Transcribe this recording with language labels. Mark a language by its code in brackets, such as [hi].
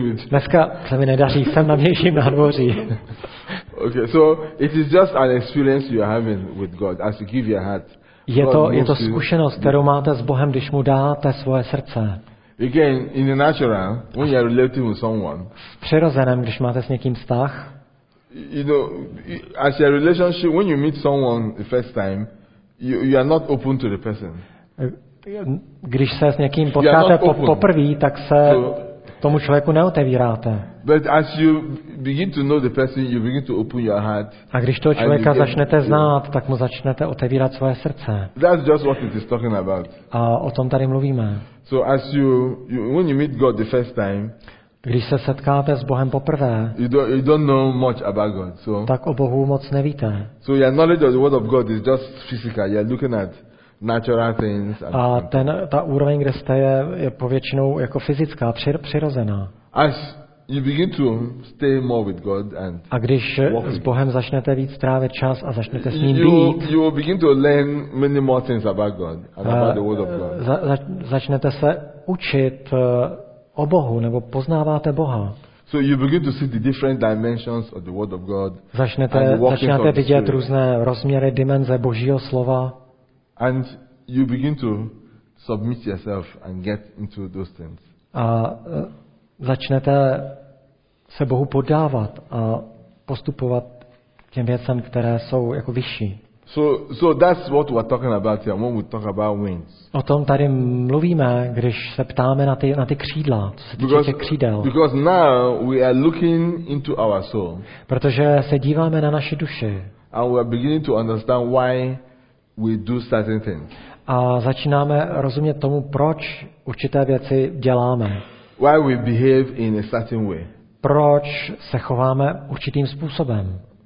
[cs] Dneska se mi nedaří, jsem na vnějším nádvoří. [en] Okay, so it is just an experience you are having with God as you give your heart. [cs] Je to zkušenost, kterou máte s Bohem, když mu dáte svoje srdce. [en] Again, in the natural, when you are relating with someone. [cs] V přirozeném, když máte s někým vztah. [en] You know, as your relationship, when you meet someone the first time, you are not open to the person. [cs] Když se s někým potkáte poprvé, tak se tomu člověku neotevíráte. [en] But as you begin to know the person, you begin to open your heart. [cs] A když toho člověka začnete znát, tak mu začnete otevírat svoje srdce. [en] That's just what it is talking about. [cs] A o tom tady mluvíme. [en] So as you when you meet God the first time. [cs] Když se setkáte s Bohem poprvé, [en] you don't know much about God, so, [cs] tak o Bohu moc nevíte. [en] So your knowledge of the word of God is just physical. You're looking at natural things. [cs] Ta úroveň, kde jste, je povětšinou jako fyzická, přirozená. [en] As you begin to stay more with God and [cs] a když s Bohem začnete víc trávit čas a začnete s ním být, [en] you begin to learn many more things about God and about the word of God. [cs] Začnete se učit o Bohu, nebo poznáváte Boha. [en] So you begin to see the different dimensions of the word of God. [cs] Začnete vidět různé rozměry, dimenze Božího slova. [en] And you begin to submit yourself and get into those things. [cs] A začnete se Bohu poddávat a postupovat těm věcem, které jsou jako vyšší. [en] So that's what we're talking about here when we talk about wings. [cs] O tom tady mluvíme, když se ptáme na ty křídla, co se týče těch křídel. [en] Because now we are looking into our soul. [cs] Protože se díváme na naši duši. [en] And we are beginning to understand why we do certain things. [cs] A začínáme rozumět tomu, proč určité věci děláme. [en] Why we behave in a certain way. [cs] Proč se chováme určitým způsobem.